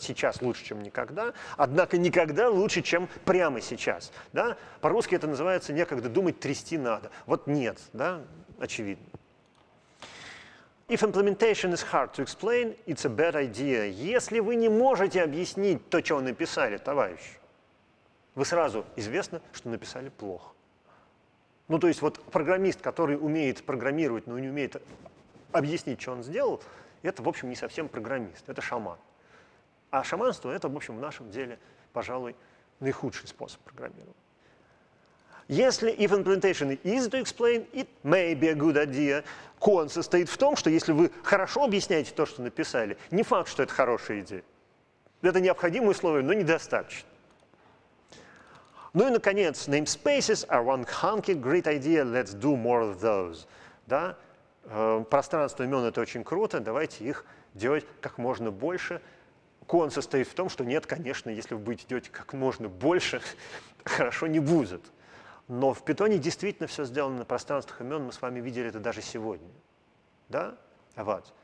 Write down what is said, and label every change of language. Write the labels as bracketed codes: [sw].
[ru] Сейчас лучше, чем никогда. Однако никогда лучше, чем прямо сейчас. Да? По-русски это называется «некогда думать, трясти надо». Вот нет, да, очевидно. [en] If implementation is hard to explain, it's a bad idea. [ru] Если вы не можете объяснить то, что вы написали, товарищ, вы сразу известно, что написали плохо. Ну, то есть вот программист, который умеет программировать, но не умеет объяснить, что он сделал, это, в общем, не совсем программист, это шаман. А шаманство — это, в общем, в нашем деле, пожалуй, наихудший способ программирования. Если [en] if implementation is easy to explain, it may be a good idea. [ru] Кон состоит в том, что если вы хорошо объясняете то, что написали, не факт, что это хорошая идея. Это необходимое условие, но недостаточно. Ну и, наконец, [en] namespaces are one hunky great idea, let's do more of those. [ru] Да? Пространство имен — это очень круто, давайте их делать как можно больше. Кон состоит в том, что нет, конечно, если вы будете делать как можно больше, хорошо не будет. Но в Питоне действительно все сделано на пространствах имен, мы с вами видели это даже сегодня. Да? Вот.